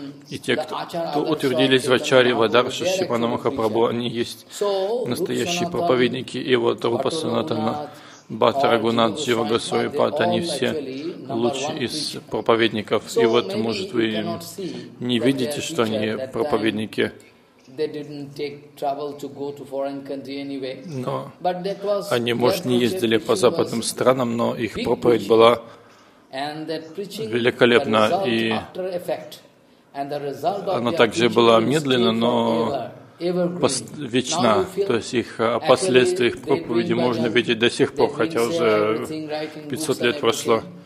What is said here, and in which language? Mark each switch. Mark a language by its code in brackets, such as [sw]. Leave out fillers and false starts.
[ru] и те, кто утвердились в Ачаре, в Адарше, Шримана Махапрабху, они есть настоящие проповедники, и вот Рупа Санатана, Бхатта Рагхунатх, Джива Госвами Пад, они все лучшие из проповедников, и вот, может, вы не видите, что они проповедники. [en] They didn't take trouble to go to foreign country anyway. No. But that was. [ru] Они, может, не ездили по западным странам, но их проповедь была великолепна, и она также была медленна, но вечна. То есть их последствия, их проповеди можно видеть до сих пор, хотя уже 500 лет прошло.